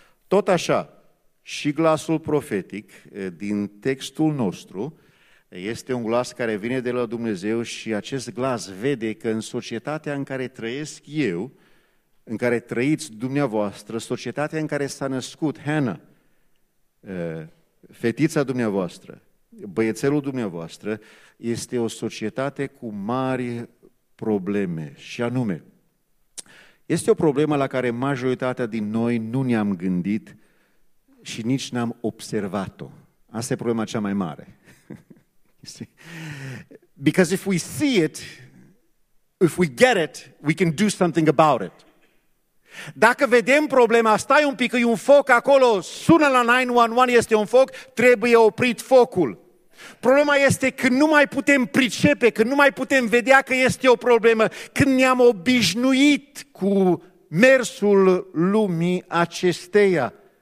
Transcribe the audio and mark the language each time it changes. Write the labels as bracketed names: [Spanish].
[Romanian] Tot așa, și glasul profetic din textul nostru este un glas care vine de la Dumnezeu și acest glas vede că în societatea în care trăiesc eu, în care trăiți dumneavoastră, societatea în care s-a născut Hannah, fetița dumneavoastră, băiețelul dumneavoastră, este o societate cu mari probleme. Și anume, este o problemă la care majoritatea din noi nu ne-am gândit și nici n-am observat-o. Asta e problema cea mai mare. [English] Because if we see it, if we get it, we can do something about it. [Romanian] Dacă vedem problema, stai un pic, e un foc acolo, sună la 911, este un foc, trebuie oprit focul. Problema este când nu mai putem pricepe, când nu mai putem vedea că este o problemă, când ne-am obișnuit cu mersul lumii acesteia.